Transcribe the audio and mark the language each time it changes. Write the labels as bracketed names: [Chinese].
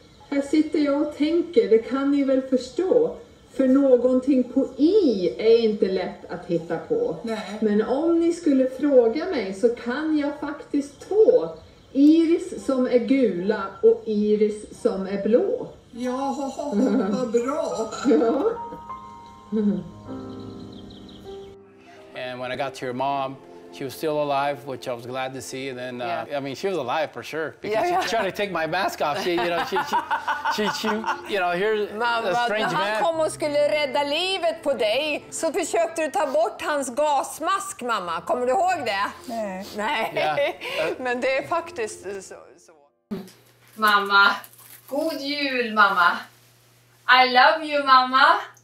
[Swedish] Här sitter jag och tänker, det kan ni väl förstå. För någonting på i är inte lätt att hitta på. Nej. Men om ni skulle fråga mig så kan jag faktiskt två. Iris som är gula och iris som är blå. Ja, vad bra. [English] And when I got to your mom, she was still alive, which I was glad to see. And then, yeah. I mean, she was alive for sure because she tried to take my mask off. She, you know, here's [Swedish] mamma, [English] a strange man. [Swedish] Han kom och skulle rädda livet på dig, så försökte du ta bort hans gasmask, mamma. Kommer du ihåg det? Nej. Nej. [English] Yeah. [Swedish] Men det är faktiskt så. Mamma, god jul, mamma. [English] I love you, [Swedish] mamma.